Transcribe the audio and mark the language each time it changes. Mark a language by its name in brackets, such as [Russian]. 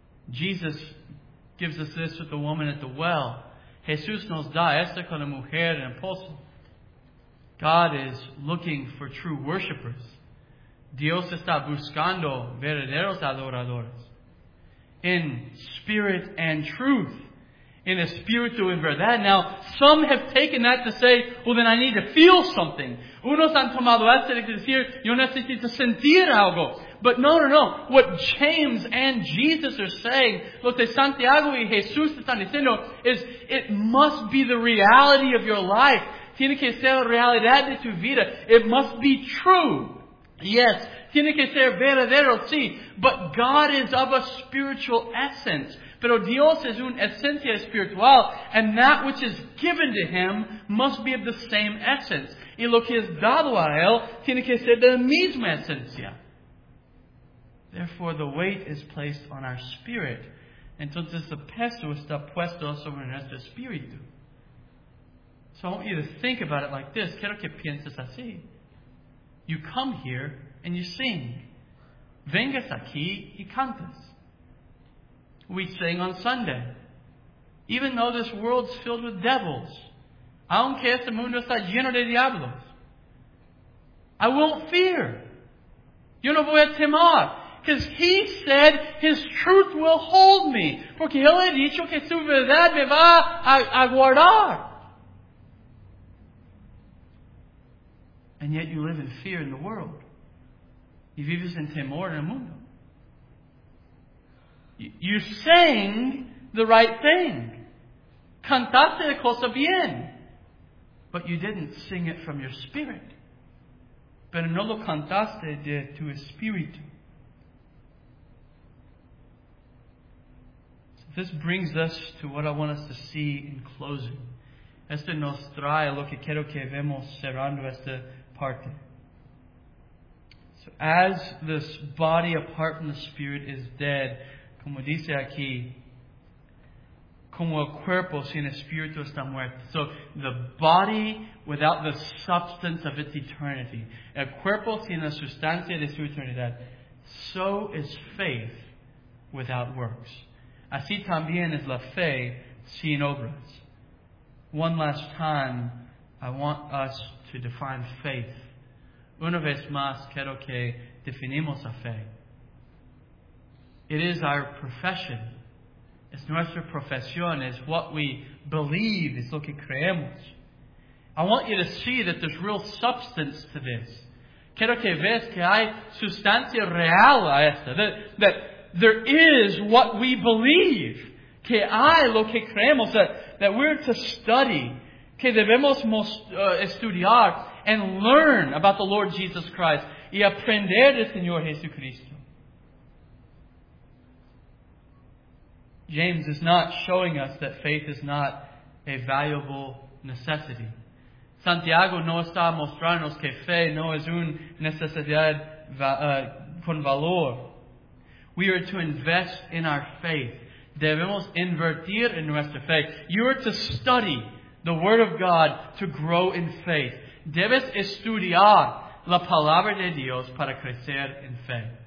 [English] Jesus gives us this with the woman at the well. [Spanish] Jesús nos da esto con la mujer en el pozo. [English] God is looking for true worshipers. [Spanish] Dios está buscando verdaderos adoradores. [English] In spirit and truth. In [Spanish] espíritu y verdad. [English] Now, some have taken that to say, well, then I need to feel something. [Spanish] Unos han tomado esto y decir, yo necesito sentir algo. [English] But no. What James and Jesus are saying, [Spanish] lo que Santiago y Jesús están diciendo, [English] is it must be the reality of your life. [Spanish] Tiene que ser la realidad de tu vida. [English] It must be true. Yes. [Spanish] Tiene que ser verdadero, sí. [English] But God is of a spiritual essence. [Spanish] Pero Dios es un esencia espiritual. [English] And that which is given to him must be of the same essence. [Spanish] Y lo que es dado a él tiene que ser de la misma esencia. [English] Therefore, the weight is placed on our spirit. [Spanish] Entonces, el peso está puesto sobre nuestro espíritu. [English] So I want you to think about it like this. [Spanish] Quiero que pienses así. [English] You come here and you sing. [Spanish] Vengas aquí y cantas. [English] We sing on Sunday. Even though this world's filled with devils, [Spanish] aunque este mundo está lleno de diablos, [English] I won't fear. [Spanish] Yo no voy a temer. [English] Because He said His truth will hold me. [Spanish] Porque Él ha dicho que su verdad me va a guardar. [English] And yet you live in fear in the world. [Spanish] Y vives en temor en el mundo. [English] You sang the right thing. [Spanish] Cantaste la cosa bien. [English] But you didn't sing it from your spirit. [Spanish] Pero no lo cantaste de tu espíritu. [English] This brings us to what I want us to see in closing. [Spanish] Este nos trae lo que quiero que vemos cerrando esta parte. [English] So as this body apart from the Spirit is dead, [Spanish] como dice aquí, como el cuerpo sin espíritu está muerto. [English] So the body without the substance of its eternity, [Spanish] el cuerpo sin la sustancia de su eternidad, [English] so is faith without works. [Spanish] Así también es la fe sin obras. [English] One last time, I want us to define faith. [Spanish] Una vez más, quiero que definimos la fe. [English] It is our profession. [Spanish] Es nuestra profesión. Es [English] what we believe. [Spanish] Es lo que creemos. [English] I want you to see that there's real substance to this. [Spanish] Quiero que veas que hay sustancia real a esta. [English] That there is what we believe. [Spanish] Que hay lo que creemos. [English] That we're to study. [Spanish] Que debemos estudiar [English] and learn about the Lord Jesus Christ. [Spanish] Y aprender del Señor Jesucristo. [English] James is not showing us that faith is not a valuable necessity. [Spanish] Santiago no está mostrándonos que fe no es una necesidad con valor. [English] We are to invest in our faith. [Spanish] Debemos invertir en nuestra fe. [English] You are to study the Word of God to grow in faith. [Spanish] Debes estudiar la Palabra de Dios para crecer en fe.